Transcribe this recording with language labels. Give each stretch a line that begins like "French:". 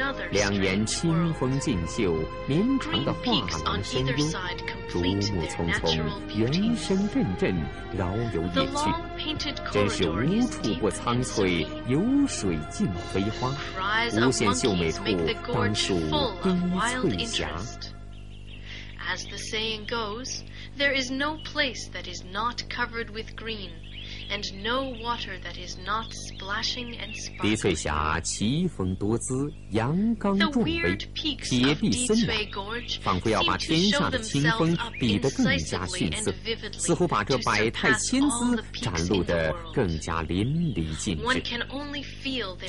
Chinese: 两沿清风尽秀，绵长的画廊深幽，竹木丛丛，原声阵阵，饶有野趣，真是无处不苍翠，有水尽飞花，无限秀美处，当属滴翠峡。
English: As the saying goes, there is no place that is not covered with green, and no water that is not splashing and sparkling.
Chinese: 滴翠峡奇峰多姿，阳刚壮威，铁壁森林，仿佛要把天下的清风比得更加逊色，似乎把这百态千姿展露得更加淋漓尽致。
English: One can only feel their mystery.